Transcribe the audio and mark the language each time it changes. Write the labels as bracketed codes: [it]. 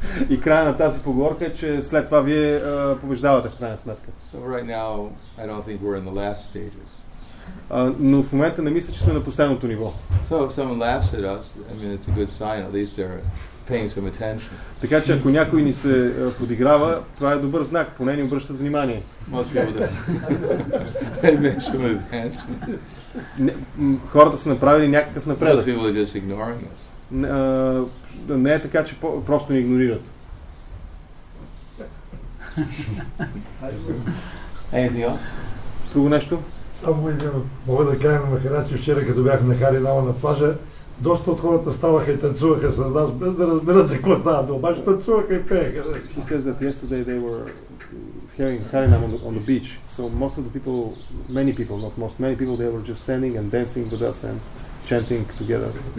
[bg] И края на тази поговорка е, че след това вие побеждавате в крайна сметка. [en] So right now I don't think we're in the last stages. [bg] Но в момента не мисля, че сме на последното ниво. [en] So if someone laughs at us, I mean it's a good sign. At least they're paying some attention. [bg] Така че ако някой ни се подиграва, това е добър знак, поне ни обръщат внимание. [en] Most people don't. They make some advancement. [bg] Хората са направили някакъв напредък. [en] Most people are just ignoring us. [bg] Не е така, че просто ни игнорират. [en] Anything else? [bg] Друго нещо? Само мога да кажа на Махарадж, вчера като бях на Хари Рама на плажа, доста от хората ставаха и танцуваха с нас, без да разберат за какво става дума, обаче танцуваха и пееха. [en] He says that yesterday they were hearing Harinam on the beach. So most of the people, many people, not most, many people, they were just standing and dancing with us and chanting together.